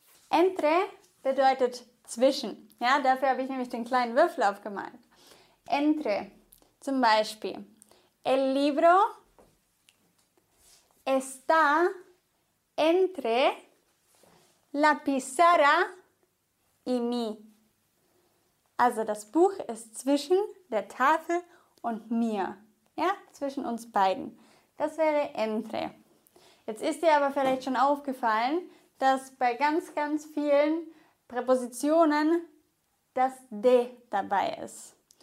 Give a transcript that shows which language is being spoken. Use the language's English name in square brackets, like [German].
[German] Entre bedeutet zwischen. Ja, dafür habe ich nämlich den kleinen Würfel aufgemalt. Entre, zum Beispiel. [Spanish] El libro está entre la pizarra y mí. [German] Also das Buch ist zwischen der Tafel und mir. Ja, zwischen uns beiden. Das wäre entre. Jetzt ist dir aber vielleicht schon aufgefallen, dass bei ganz, ganz vielen Präpositionen das de dabei ist.